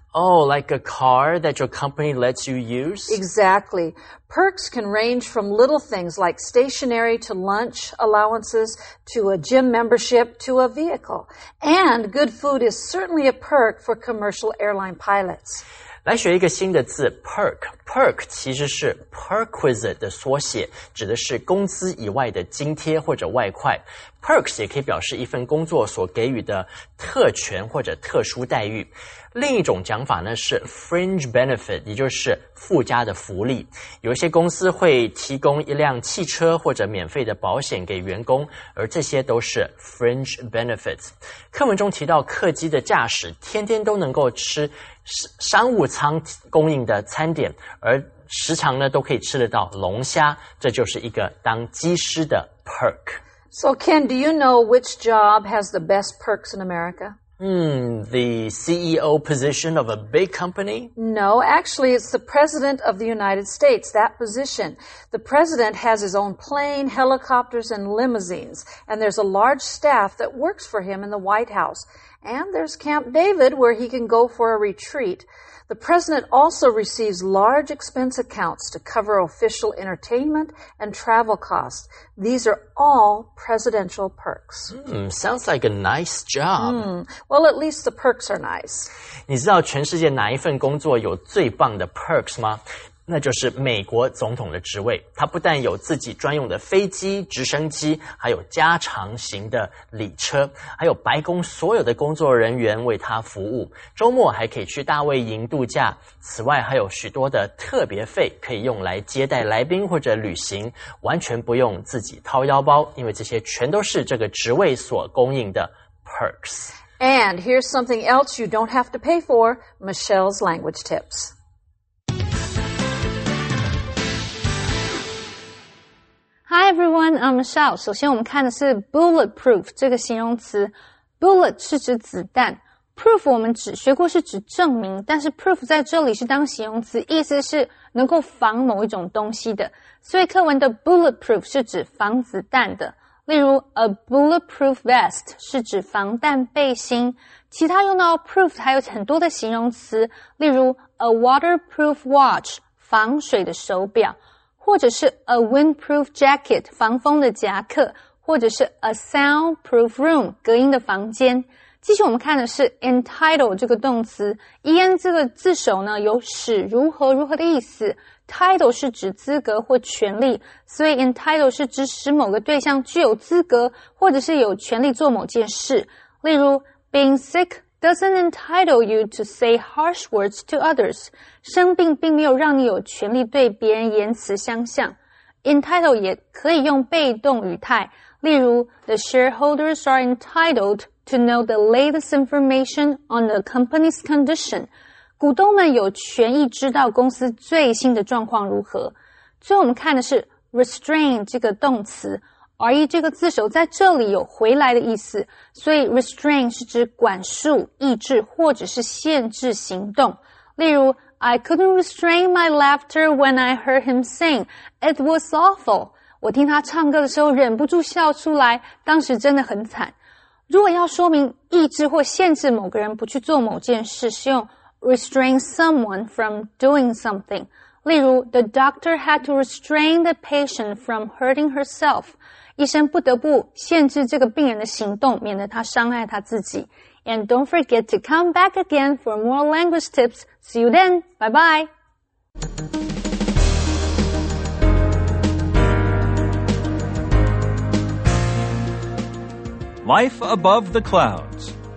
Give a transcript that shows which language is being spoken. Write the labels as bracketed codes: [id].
[en] Oh, like a car that your company lets you use? Exactly. Perks can range from little things like stationery to lunch allowances to a gym membership to a vehicle. And good food is certainly a perk for commercial airline pilots. [zh] 来学一个新的字, perk. Perk其实是perquisite的缩写, 指的是工资以外的津贴或者外快。 Perks也可以表示一份工作所给予的特权或者特殊待遇。另一种讲法呢是 fringe benefit， 也就是附加的福利。有一些公司会提供一辆汽车或者免费的保险给员工，而这些都是 fringe benefits。课文中提到客机的驾驶天天都能够吃商务舱供应的餐点，而时常呢都可以吃得到龙虾，这就是一个当机师的 perk。 [en] So Ken, do you know which job has the best perks in America? The CEO position of a big company? No, actually, it's the President of the United States, that position. The President has his own plane, helicopters, and limousines, and there's a large staff that works for him in the White House. And there's Camp David, where he can go for a retreat. The President also receives large expense accounts to cover official entertainment and travel costs. These are all presidential perks. Sounds like a nice job. Well, at least the perks are nice. [zh] 你知道全世界哪一份工作有最棒的 perks 吗？那就是美国总统的职位。他不但有自己专用的飞机、直升机，还有加长型的礼车，还有白宫所有的工作人员为他服务，周末还可以去大卫营度假。此外还有许多的特别费可以用来接待来宾或者旅行，完全不用自己掏腰包，因为这些全都是这个职位所供应的 perks。 [en] And here's something else you don't have to pay for, Michelle's language tips. Hi everyone, I'm Michelle. [zh] 首先我们看的是 bulletproof 这个形容词。Bullet 是指子弹。 Proof 我们只学过是指证明，但是 proof 在这里是当形容词，意思是能够防某一种东西的。所以课文的 bulletproof 是指防子弹的。例如 a bulletproof vest 是指防弹背心。其他用到 proof 还有很多的形容词，例如 a waterproof watch 防水的手表，或者是 a windproof jacket 防风的夹克，或者是 a soundproof room 隔音的房间。继续我们看的是 entitle 这个动词 ，en 这个字首呢有使如何如何的意思 ，title 是指资格或权利，所以 entitle 是指使某个对象具有资格或者是有权利做某件事。例如 [en] ，being sick doesn't entitle you to say harsh words to others。 [zh] 生病并没有让你有权利对别人言辞相向。 [en] Entitled [zh] 也可以用被动语态，例如 [en] The shareholders are entitled to know the latest information on the company's condition. [zh] 股东们有权益知道公司最新的状况如何。最后我们看的是 restrain 这个动词， RE 这个字首在这里有回来的意思，所以 restrain 是指管束、抑制或者是限制行动。例如 [en] I couldn't restrain my laughter when I heard him sing. It was awful. [zh] 我听他唱歌的时候忍不住笑出来，当时真的很惨。如果要说明抑制或限制某个人不去做某件事，是用 [en] restrain someone from doing something. [zh] 例如 [en] The doctor had to restrain the patient from hurting herself. [zh] 医生不得不限制这个病人的行动，免得他伤害他自己。 [en] And don't forget to come back again for more language tips. See you then. Bye-bye. Life above the clouds.